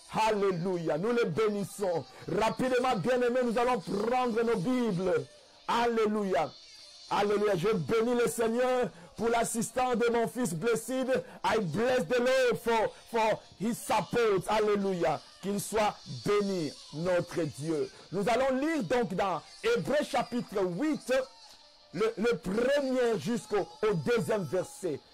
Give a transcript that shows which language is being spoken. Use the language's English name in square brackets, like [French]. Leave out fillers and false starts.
[French] Alléluia, nous le bénissons. Rapidement, bien-aimés, nous allons prendre nos Bibles. Alléluia. Alléluia. Je bénis le Seigneur pour l'assistance de mon fils blessé. [English] I bless the Lord for his support. Alléluia. [French] Qu'il soit béni, notre Dieu. Nous allons lire donc dans Hébreux chapitre 8, le premier jusqu'au deuxième verset.